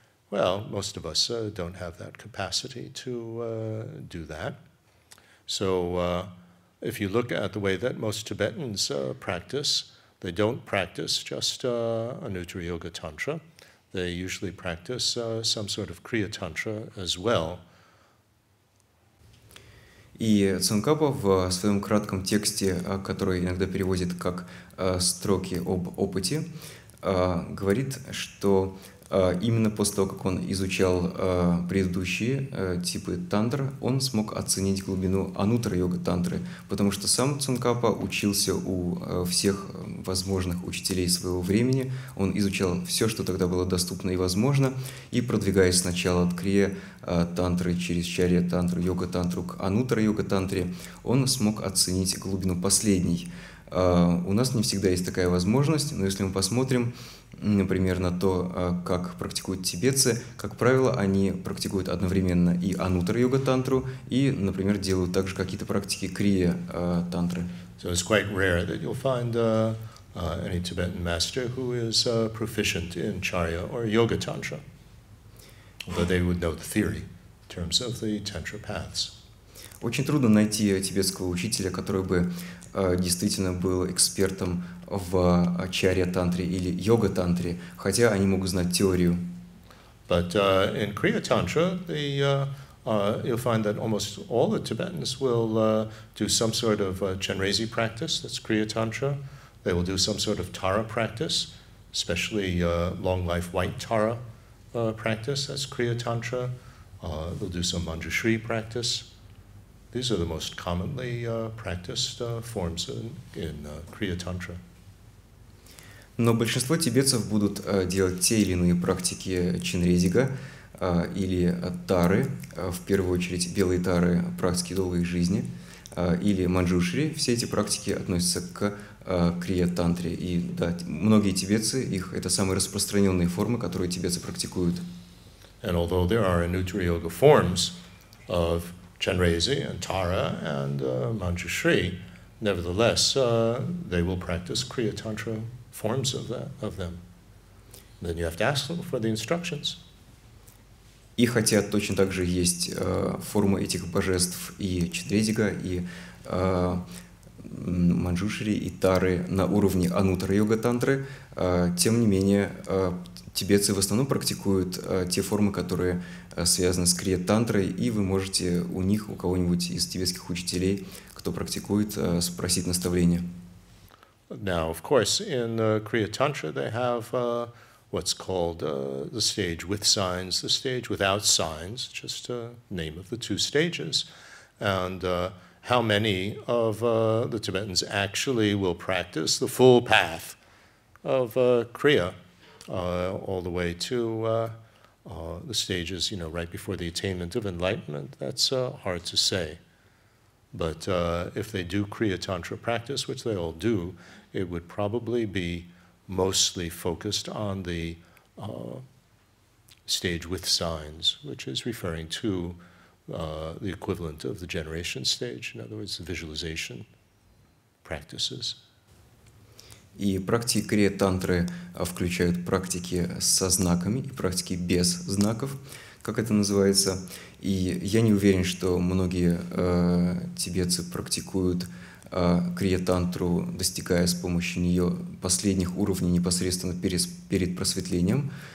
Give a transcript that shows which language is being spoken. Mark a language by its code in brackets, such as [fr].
[en] Well, most of us don't have that capacity to do that. So if you look at the way that most Tibetans practice, they don't practice just Anuttara Yoga Tantra. They usually practice some sort of Kriya Tantra as well. [ru] И Цзонгкапа в своем кратком тексте, который иногда переводит как «строки об опыте», говорит, что именно после того, как он изучал предыдущие типы тантр, он смог оценить глубину анутра-йога-тантры, потому что сам Цзонгкапа учился у всех возможных учителей своего времени, он изучал все, что тогда было доступно и возможно, и продвигаясь сначала от Крия тантры, через чарья-тантру, йога-тантру к анутра-йога-тантре, он смог оценить глубину последней. У нас не всегда есть такая возможность, но если мы посмотрим, например, на то, как практикуют тибетцы, как правило, они практикуют одновременно и анутра-йога-тантру, и, например, делают также какие-то практики крия-тантры. [en] So it's quite rare that you'll find any Tibetan master who is proficient in charya or yoga tantra, although they would know the theory in terms of the tantra paths. [ru] Очень трудно найти тибетского учителя, который бы действительно был экспертом в чарья-тантре или йога-тантре, хотя они могут знать теорию. [en] But in Kriya Tantra, you'll find that almost all the Tibetans will do some sort of Chenrezig practice, that's Kriya Tantra. They will do some sort of Tara practice, especially long life white Tara practice, that's Kriya Tantra. They'll do some Manjushri practice. These are the most commonly practiced forms in Kriya Tantra. [ru] Но большинство тибетцев будут делать те или иные практики Чинрезига или тары, в первую очередь белые тары, практики долгой жизни, или манджушри. Все эти практики относятся к крия-тантре. И да, многие тибетцы, их это самые распространенные формы, которые тибетцы практикуют. [en] And although there are Anuttara Yoga forms of Chenrezig and Tara and Manjushri, nevertheless, they will practice Kriya-Tantra forms of them. Then you have to ask them for the instructions. [ru] И хотя точно так же есть формы этих божеств и Чинрезига, и Манджушри, и Тары на уровне Анутра-йога-тантры, тем не менее, тибетцы в основном практикуют те формы, которые связаны с Крия-тантрой, и вы можете у них, у кого-нибудь из тибетских учителей, кто практикует, спросить наставления. [en] Now, of course, in Kriya-tantra, they have what's called the stage with signs, the stage without signs, just a name of the two stages. And how many of the Tibetans actually will practice the full path of Kriya all the way to the stages, you know, right before the attainment of enlightenment? That's hard to say. But if they do Kriya-tantra practice, which they all do, it would probably be mostly focused on the stage with signs, which is referring to the equivalent of the generation stage, in other words, the visualization practices. [ru] И практики крия-тантры включают практики со знаками и практики без знаков, как это называется. И я не уверен, что многие тибетцы практикуют крия-тантру, достигая с помощью нее последних уровней непосредственно перед просветлением.